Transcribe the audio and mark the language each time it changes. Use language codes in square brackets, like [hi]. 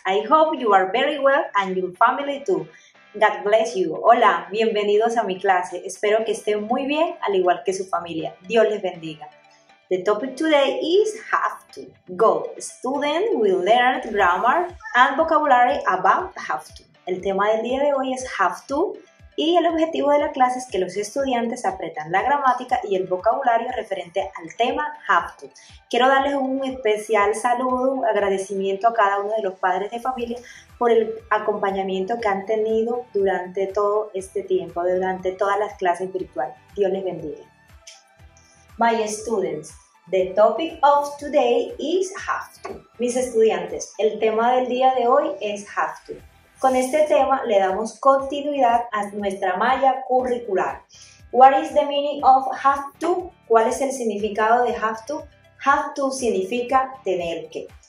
[en] I hope you are very well and your family too. God bless you. [es] Hola, bienvenidos a mi clase. Espero que estén muy bien, al igual que su familia. Dios les bendiga. [en] The topic today is have to. Go. Students will learn grammar and vocabulary about have to. [es] El tema del día de hoy es have to. Y el objetivo de la clase es que los estudiantes aprendan la gramática y el vocabulario referente al tema have to. Quiero darles un especial saludo, un agradecimiento a cada uno de los padres de familia por el acompañamiento que han tenido durante todo este tiempo, durante todas las clases virtuales. Dios les bendiga. [en] My students, the topic of today is have to. [es] Mis estudiantes, el tema del día de hoy es have to. Con este tema le damos continuidad a nuestra malla curricular. [en] What is the meaning of have to? [es] ¿Cuál es el significado de [en] have to? [es] Have to significa tener que.